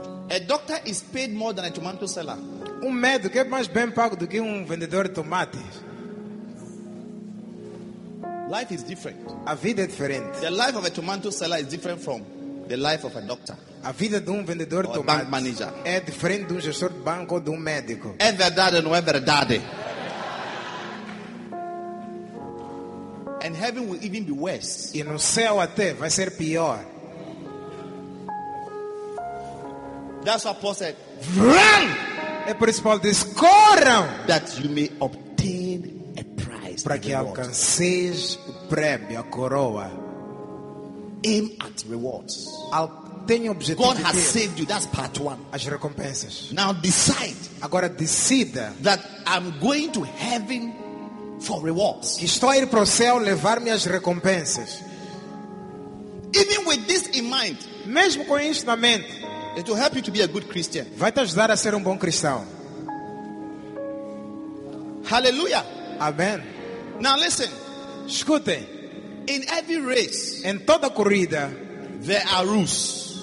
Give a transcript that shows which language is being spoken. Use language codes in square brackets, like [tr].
[en] A doctor is paid more than a tomato seller. [pt] Médico é mais bem pago do que vendedor de tomates. [en] Life is different. [pt] A vida é diferente. [en] The life of a tomato seller is different from the life of a doctor. [pt] A vida de vendedor [en] or [pt] de tomates [en] bank manager. [pt] É diferente de gestor de banco ou de médico. É verdade ou não é verdade? [en] And heaven will even be worse. [pt] E no céu até vai ser pior. [en] That's what Paul said. Run! [pt] É por isso Paulo diz, corram! [en] That you may obtain a prize. [pt] Para que alcanceis o prêmio, a coroa. [en] Aim at rewards. [pt] Tenha objetivo. [en] God has saved you. That's part one. [pt] As recompensas. [en] Now decide. [pt] Agora decida. [en] That I'm going to heaven for rewards. [pt] Que estou a ir para o céu levar minhas recompensas. [en] Even with this in mind. [pt] Mesmo com isso na mente. [en] It will help you to be a good Christian. [pt] Vai te ajudar a ser bom cristão. [en] Hallelujah. Amen. Now listen. [pt] Escute. [en] In every race, [pt] em toda corrida, [en] there are rules.